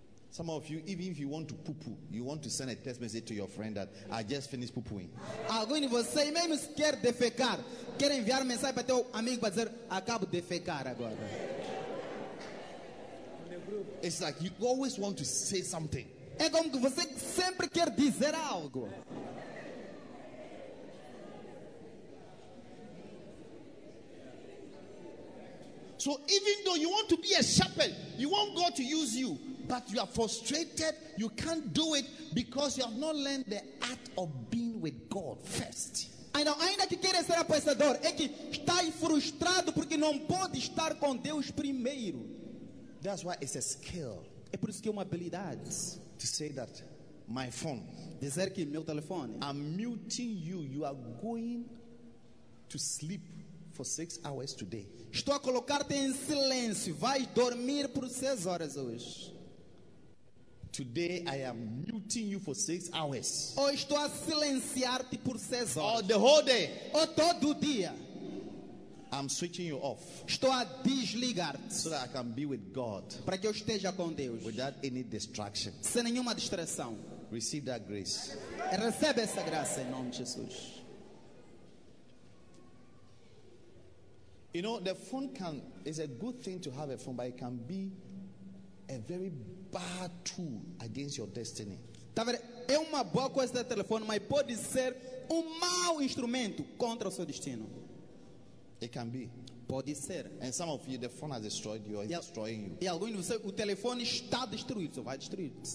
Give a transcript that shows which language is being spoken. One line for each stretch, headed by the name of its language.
English: Some of you, even if you want to poo-poo, you want to send a text message to your friend that I just finished poo-pooing.
Portuguese: Alguns de vocês, mesmo se quer defecar, quer enviar mensagem para teu amigo para dizer, acabo de defecar agora.
English: It's like you always want to say something.
Portuguese: É como que você sempre quer dizer algo.
English: So even though you want to be a shepherd, you want God to use you, but you are frustrated, you can't do it because you have not learned the art of being with God first.
Portuguese: Ainda, ainda que queira ser apoiador, é que está frustrado porque não pode estar com Deus primeiro.
English: That's why it's a skill.
Portuguese: É por isso que é uma habilidade.
English: To say that my phone.
Portuguese: Dizer que meu telefone.
English: I'm muting you. You are going to sleep for 6 hours today.
Portuguese: Estou a colocar-te em silêncio. Vai dormir por 6 horas hoje.
English: Today I am muting you for 6 hours.
Portuguese: Ou estou a silenciar-te por 6 horas.
English: Or the whole day.
Portuguese: Ou todo o dia.
English: I'm switching you off.
Portuguese: Estou a desligar-te.
English: So that I can be with God.
Portuguese: Para que eu esteja com Deus.
English: Without any distraction.
Portuguese: Sem nenhuma distração.
English: Receive that grace.
Portuguese: Recebe essa graça em nome de Jesus.
English: You know, the phone can is a good thing to have a phone, but it can be a very bad tool against your destiny.
Portuguese: Tá vendo? É uma boa coisa ter telefone, mas pode ser um mau instrumento contra o seu destino.
English: It can be.
Portuguese: Pode ser.
English: And some of you, the phone has destroyed you or is destroying you.
Portuguese: E alguns de vocês, o telefone está destruído, ou vai destruir.